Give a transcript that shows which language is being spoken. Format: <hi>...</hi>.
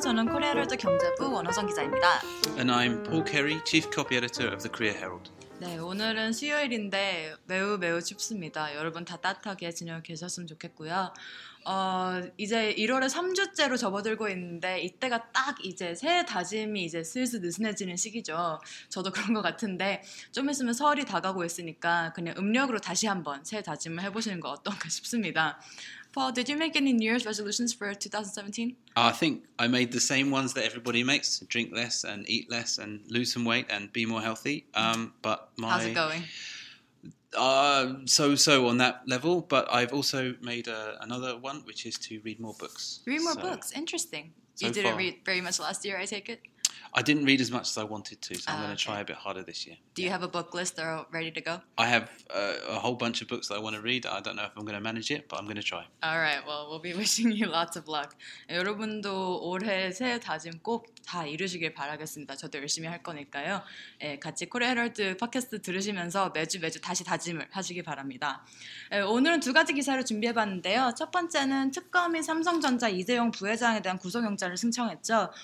<ko>저는 코리아월드 경제부 원호정 기자입니다.</ko> <en>And I'm Paul Carey, chief copy editor of the Korea Herald.</en> <ko>네, 오늘은 수요일인데 매우 춥습니다. 여러분 따뜻하게 지내고 계셨으면 좋겠고요. 이제 1월에 3주째로 접어들고 있는데 이때가 딱 이제 새해 다짐이 이제 슬슬 느슨해지는 시기죠. 저도 그런 것 같은데 좀 있으면 설이 다가오고 있으니까 그냥 음력으로 다시 한번 새해 다짐을 해보시는 거 어떤가 싶습니다.</ko> <en>Paul, did you make any New Year's resolutions for 2017? I think I made the same ones that everybody makes. Drink less and eat less and lose some weight and be more healthy. But my... How's it going? So on that level, but I've also made another one, which is to read more books. Interesting. You didn't read very much last year, I take it? I didn't read as much as I wanted to, so I'm going to try a bit harder this year. Do you have a book list or ready to go? I have a whole bunch of books that I want to read. I don't know if I'm going to manage it, but I'm going to try. All right, well, we'll be wishing you lots of luck.</en> <ko>여러분도 올해 새해 다짐 꼭 다 이루시길 바라겠습니다. 저도 열심히 할 거니까요. 예, 같이 코리아 헤럴드 팟캐스트 들으시면서 매주 다시 다짐을 하시길 바랍니다. 예, 오늘은 두 가지 기사를 준비해봤는데요. 첫 번째는 특검이 삼성전자 이재용 부회장에 대한 구속영장을 승청했죠.</ko>